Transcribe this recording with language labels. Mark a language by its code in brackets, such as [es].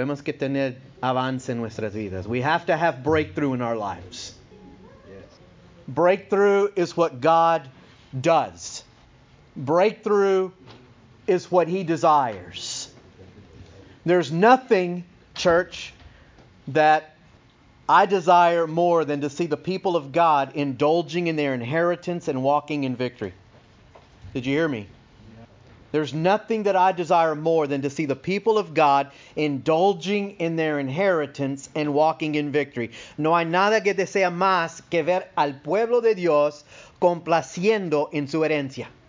[es] Hemos que tener avance en nuestras vidas. [en] We have to have breakthrough in our lives. Breakthrough is what God does. Breakthrough is what He desires. There's nothing, church, that I desire more than to see the people of God indulging in their inheritance and walking in victory. Did you hear me? There's nothing that I desire more than to see the people of God indulging in their inheritance and walking in victory. [es] No hay nada que desea más que ver al pueblo de Dios complaciendo en su herencia.